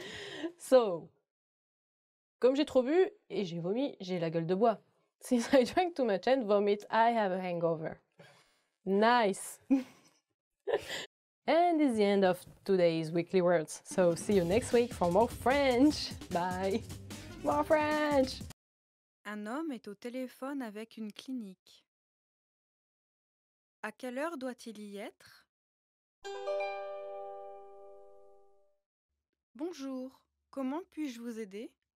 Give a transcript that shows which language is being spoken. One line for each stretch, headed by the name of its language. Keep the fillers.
French: so, comme j'ai trop bu et j'ai vomi, j'ai la gueule de bois.
English: Since I drank too much and vomit, I have a hangover. Nice. and this is the end of today's weekly words. So see you next week for more French. Bye. More French.
French: Un homme est au téléphone avec une clinique. À quelle heure doit-il y être Bonjour, comment puis-je vous aider